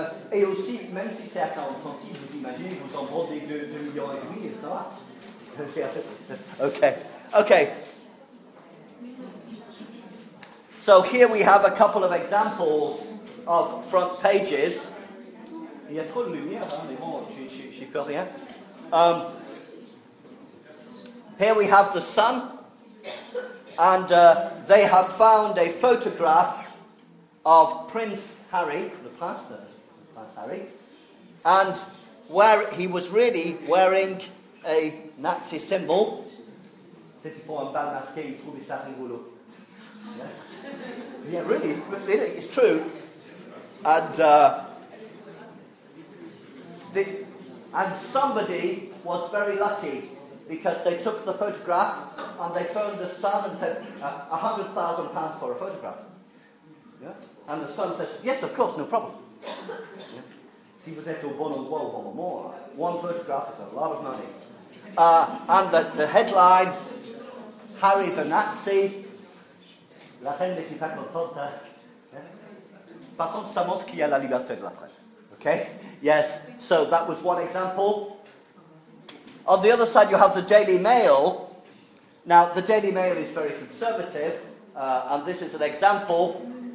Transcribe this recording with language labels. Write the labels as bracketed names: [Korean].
[French] Et aussi, même si c'est à 40 centimes, vous imaginez, vous en vendez 2 millions et demi, et ça va. [English] Okay. So here we have a couple of examples of front pages. [French] Il y a trop de lumière, mais bon, j'y peux rien. [English] Here we have the Sun, and they have found a photograph of Prince Harry, the prince, Harry, and where he was really wearing a Nazi symbol. [French] C'était pour un bal masqué, il trouvait ça rigolo. [English] Yeah, yeah, really, it's true. And and somebody was very lucky because they took the photograph and they phoned the Sun and said £100,000 for a photograph. Yeah? And the Sun says, yes, of course, no problem. [French] Si vous êtes au bon endroit, au bon moment, [English] one photograph is a lot of money. And the headline, Harry the Nazi. [French] La reine n'est pas contente. Par contre, ça montre qu'il y a la liberté de la presse. [English] Okay? Yes, so that was one example. On the other side, you have the Daily Mail. Now, the Daily Mail is very conservative, and this is an example.